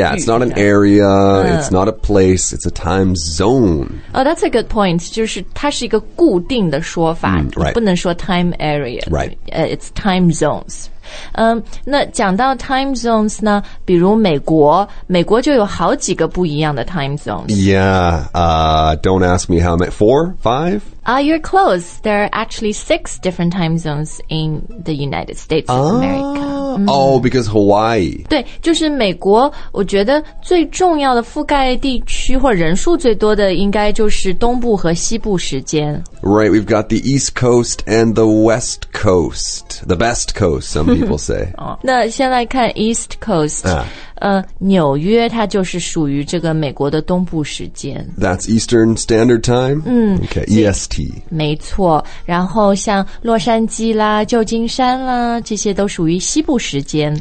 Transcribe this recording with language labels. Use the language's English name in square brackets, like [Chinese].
[English] Yeah, it's not an area, it's not a place, it's a time zone. Oh, that's a good point. [Chinese] 就是它是一个固定的说法、 [English] right. [Chinese] 不能说 time area. [English] Right. It's time zones. [Chinese] 那讲到 time zones 呢，比如美国就有好几个不一样的 time zones. [English] Yeah, don't ask me how many, 4, 5? You're close. There are actually 6 different time zones in the United States of America. Because Hawaii. [Chinese] 对，就是美国，我觉得最重要的覆盖地区或人数最多的应该就是东部和西部时间。 [English] Right, we've got the East Coast and the West Coast. The best coast, some people say. [Chinese] 那先来看 East Coast. 纽约它就是属于这个美国的东部时间。 [English] That's Eastern Standard Time? Okay, EST. [Chinese] 没错，然后像洛杉矶啦，旧金山啦，这些都属于西部时间。